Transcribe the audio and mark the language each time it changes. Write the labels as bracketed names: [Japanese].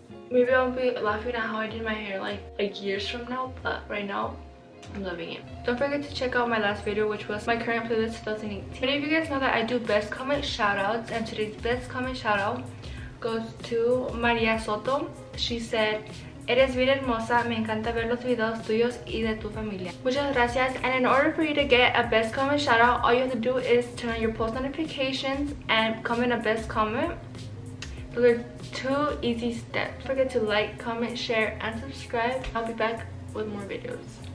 [English] Maybe I'll be laughing at how I did my hair like years from now, but right now I'm loving it. Don't forget to check out my last video, which was my current playlist 2018. Many of you guys know that I do best comment shoutouts, and today's best comment shoutout goes to Maria Soto. [Spanish] She said, "Eres bien hermosa. Me encanta ver los videos tuyos y de tu familia." Muchas gracias. [English] And in order for you to get a best comment shoutout, all you have to do is turn on your post notifications and comment a best comment. Those are two easy steps. Don't forget to like, comment, share, and subscribe. I'll be back with more videos.